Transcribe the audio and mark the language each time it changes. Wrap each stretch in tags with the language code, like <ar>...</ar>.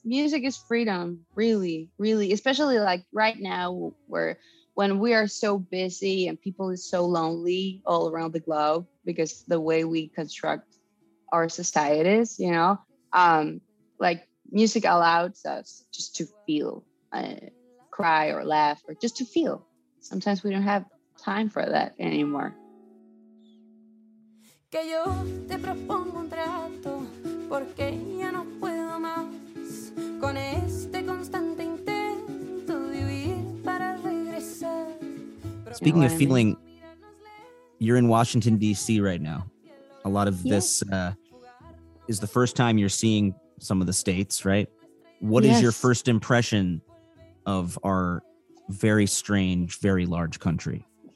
<en>Music is freedom, really, really. Especially like right now, where when we are so busy and people is so lonely all around the globe, because the way we construct our societies, you know, like music allows us just to feel, cry or laugh or just to feel. Sometimes we don't have time for that anymore.</en> <es>Que yo te propongo un trato porque ya no puedo más con este constante intento de huir para regresar.</es> <en>Speaking of feeling, you're in Washington, D.C. right now. A lot of this is the first time you're seeing some of the states, right? What is your first impression of our very strange, very large country?</en>